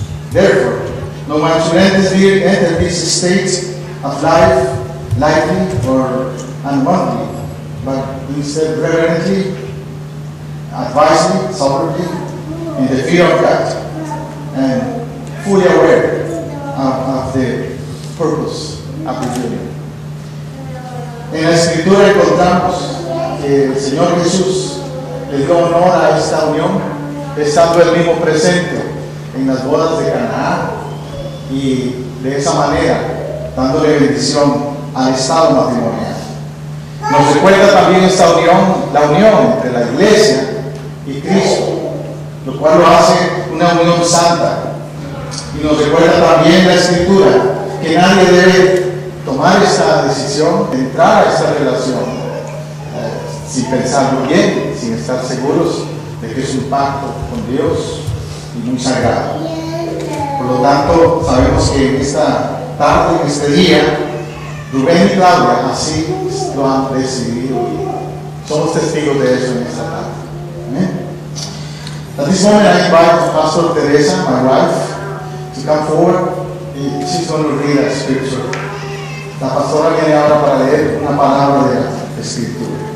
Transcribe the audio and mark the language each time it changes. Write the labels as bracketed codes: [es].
[en] Therefore, no one should enter this state of life lightly or unwantedly, but instead reverently, advisedly, soberly, in the fear of God, and fully aware of the purpose of the union. [es] En la Escritura encontramos que el Señor Jesús le dio honor a esta unión, estando él mismo presente en las bodas de Caná, y de esa manera dándole bendición al estado matrimonial. Nos recuerda también esta unión, la unión entre la Iglesia y Cristo, lo cual lo hace una unión santa. Y nos recuerda también la Escritura que nadie debe tomar esta decisión, entrar a esta relación, sin pensarlo bien, sin estar seguros de que es un pacto con Dios y muy sagrado. Por lo tanto, sabemos que en esta tarde, en este día, Rubén y Claudia así lo han decidido y somos testigos de eso en esta tarde. [en] Amén. At this moment, I invite Pastor Teresa, my wife, to come forward and she's going to read a scripture. [es] La pastora viene ahora para leer una palabra de la Escritura.